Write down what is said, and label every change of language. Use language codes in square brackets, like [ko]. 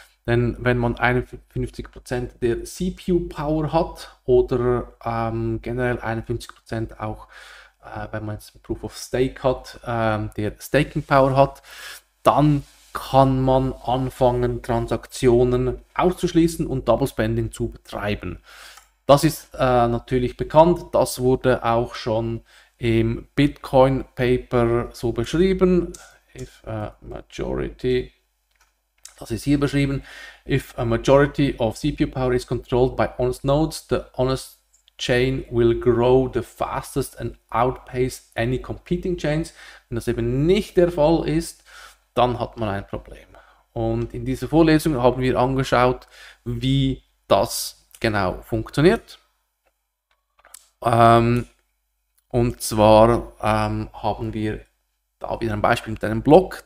[de] Denn wenn man 51% der CPU-Power hat oder generell 51% auch, wenn man jetzt Proof of Stake hat, der Staking-Power hat, dann kann man anfangen, Transaktionen auszuschließen und Double Spending zu betreiben. Das ist natürlich bekannt. Das wurde auch schon im Bitcoin-Paper so beschrieben. [en] If a majority. [de] Das ist hier beschrieben. [en] If a majority of CPU power is controlled by honest nodes, the honest chain will grow the fastest and outpace any competing chains. [de] Wenn das eben nicht der Fall ist, dann hat man ein Problem. Und in dieser Vorlesung haben wir angeschaut, wie das genau funktioniert. Und zwar haben wir da wieder ein Beispiel mit einem Block.